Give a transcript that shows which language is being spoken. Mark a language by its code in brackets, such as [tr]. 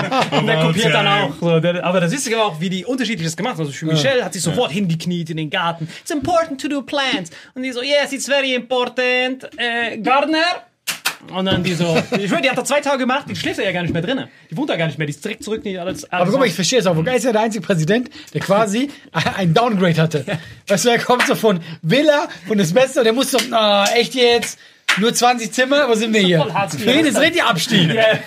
[de] Und der kopiert dann auch. Aber das Wichtige war auch, wie die unterschiedlich das gemacht haben. Also Michelle hat sich sofort hingekniet in den Garten. [en] It's important to do plans. [de] Und die so, [en] yes, it's very important. Gardner, [de] Und dann die so, ich höre, die hat da 2 Tage gemacht, die schläft ja gar nicht mehr drin. Die wohnt da gar nicht mehr, die ist direkt zurück, nicht alles. Aber guck mal, ich verstehe es auch. Vogel ist ja der einzige Präsident, der quasi einen Downgrade hatte. Ja. Weißt du, er kommt so von Villa, von das Beste, und der muss so, oh, echt jetzt? Nur 20 Zimmer, wo sind wir hier? Für ihn ist richtig Abstieg. Yeah.